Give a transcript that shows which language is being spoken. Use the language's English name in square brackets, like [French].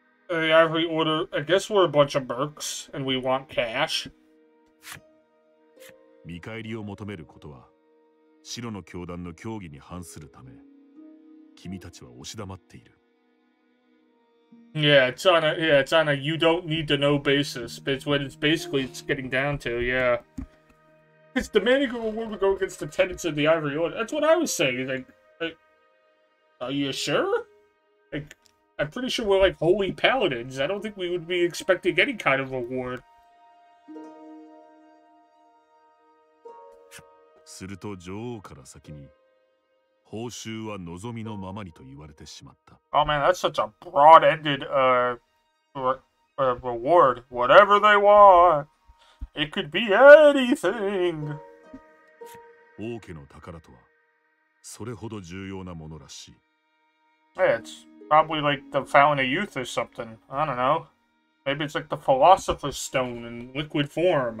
[English] I guess we're a bunch of mercs and we want cash. [Japanese] 見返りを求めることは、白の教団の教義に反するため、君たちは押し黙っている。 [English] Yeah, it's on a you don't need to know basis, but it's what it's basically it's getting down to, yeah. It's demanding a reward to go against the tenets of the Ivory Order. That's what I was saying. Like, are you sure? Like, I'm pretty sure we're like holy paladins. I don't think we would be expecting any kind of reward. [Japanese] すると女王から先に報酬は望みのままにと言われてしまった。 [English] Oh man, that's such a broad-ended reward. Whatever they want, it could be anything. [Japanese] 王家の宝とはそれほど重要なものらしい。 [English] Hey, it's probably like the Fountain of Youth or something. I don't know. Maybe it's like the Philosopher's Stone in liquid form.